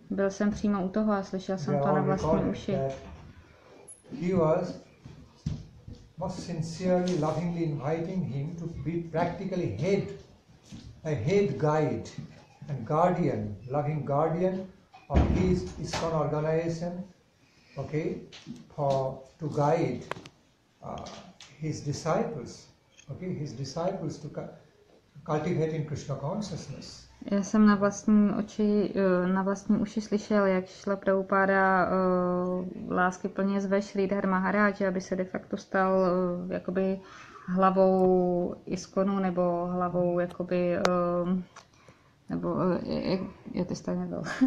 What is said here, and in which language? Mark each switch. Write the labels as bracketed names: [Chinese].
[Czech] Byl jsem přímo u toho a slyšel jsem to na vlastní uši. [English] He was most sincerely lovingly inviting him to be practically a head guide and guardian, loving guardian of his ISKCON organization, okay, to guide his disciples, okay, his disciples to cultivate in Krishna consciousness. [Czech] Já jsem na vlastní oči, na vlastní uši slyšel, jak Srila Prabhupada lásky plně zve Sridhar Maharaj, aby se de facto stal jakoby hlavou ISKCONu nebo hlavou jakoby nebo je to stejně bylo.